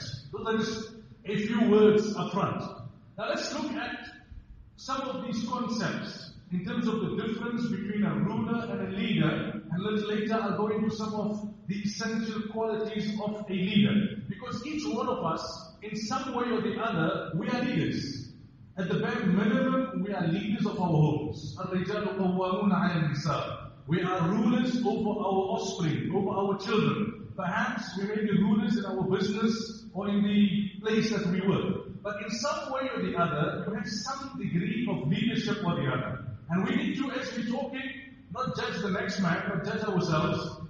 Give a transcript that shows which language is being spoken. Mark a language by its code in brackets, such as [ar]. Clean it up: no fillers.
[en] So there is a few words up front. Now let's look at some of these concepts in terms of the difference between a ruler and a leader. And a little later I'll go into some of the essential qualities of a leader. Because each one of us, in some way or the other, we are leaders. At the bare minimum, we are leaders of our homes. [ar] الرجال قوامون على النساء. [en] We are rulers over our offspring, over our children. Perhaps we may be rulers in our business or in the place that we work. But in some way or the other, we have some degree of leadership or the other. And we need to, as we're talking, not judge the next man, but judge ourselves.